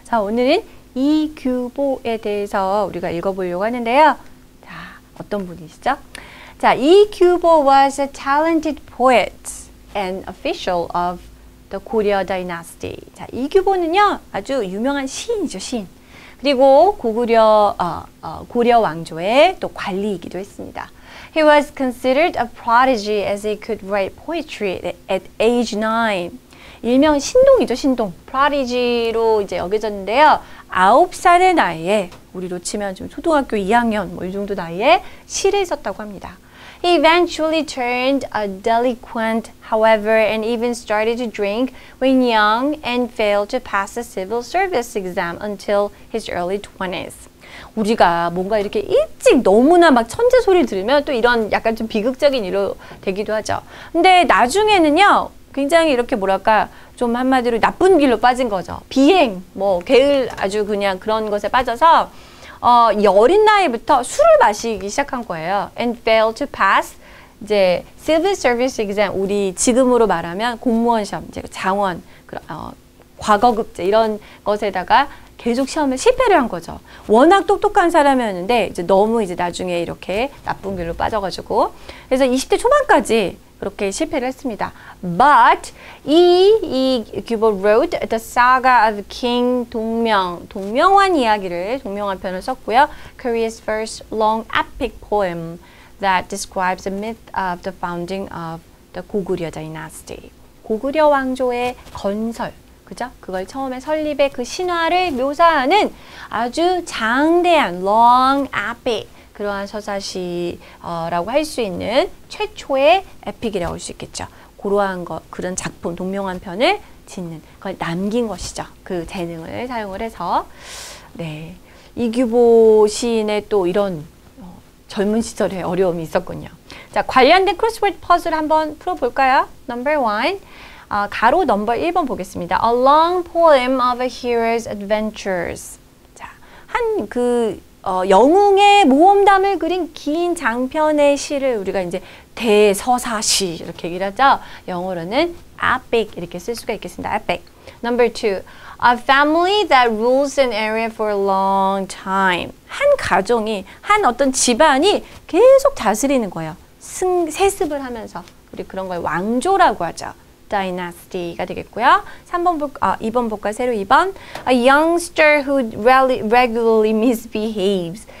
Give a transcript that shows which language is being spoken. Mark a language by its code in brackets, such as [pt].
[ko] 자, 오늘은 이 규보에 대해서 우리가 읽어보려고 하는데요. 자, 어떤 분이시죠? [en] 자, 이 규보 was a talented poet and official of the Goryeo dynasty. [ko] 자, 이 규보는요, 아주 유명한 시인이죠, 시인. 그리고 고려 왕조의 또 관리이기도 했습니다. [en] He was considered a prodigy as he could write poetry at age 9. [ko] 일명 신동이죠, 신동. prodigy로 이제 여겨졌는데요. 아홉 살의 나이에, 우리로 치면 좀 초등학교 2학년 뭐 이 정도 나이에 시를 썼다고 합니다. [en] He eventually turned a delinquent, however, and even started to drink when young and failed to pass a civil service exam until his early 20s. [ko] 우리가 뭔가 이렇게 일찍 너무나 막 천재 소리를 들으면 또 이런 약간 좀 비극적인 일로 되기도 하죠. 근데 나중에는요, 굉장히 이렇게 뭐랄까, 좀 한마디로 나쁜 길로 빠진 거죠. 비행, 뭐 게을 아주 그냥 그런 것에 빠져서 어린 나이부터 술을 마시기 시작한 거예요. [en] And failed to pass [ko] 이제 [en] civil service exam, [ko] 우리 지금으로 말하면 공무원 시험, 이제 장원, 과거급제 이런 것에다가 계속 시험에 실패를 한 거죠. 워낙 똑똑한 사람이었는데 이제 너무 이제 나중에 이렇게 나쁜 길로 빠져가지고 그래서 20대 초반까지 그렇게 실패를 했습니다. [en] But 이 규보 wrote the saga of King 동명왕 [ko] 이야기를 동명왕 편을 썼고요. [en] Korea's first long epic poem that describes the myth of the founding of the Goguryeo dynasty. [ko] 고구려 왕조의 건설. 그죠? 그걸 처음에 설립의 그 신화를 묘사하는 아주 장대한 long epic 그러한 서사시라고 할 수 있는 최초의 에픽이라고 할 수 있겠죠. 고로한 것, 그런 작품, 동명한 편을 짓는, 그걸 남긴 것이죠. 그 재능을 사용을 해서. 네. 이규보 시인의 또 이런 젊은 시절에 어려움이 있었군요. 자, 관련된 크로스워드 퍼즐 한번 풀어볼까요? [en] Number one. [ko] 가로 넘버 1번 보겠습니다. [en] A long poem of a hero's adventures. [ko] 자, 한 그 영웅의 모험담을 그린 긴 장편의 시를 우리가 이제 대서사시 이렇게 얘기를 하죠. 영어로는 epic 이렇게 쓸 수가 있겠습니다. epic. [en] Number 2. A family that rules an area for a long time. [ko] 한 가정이, 한 어떤 집안이 계속 다스리는 거예요. 세습을 하면서 우리 그런 걸 왕조라고 하죠. dynasty가 되겠고요. 2번 볼까? 새로 2번. [en] A youngster who regularly misbehaves.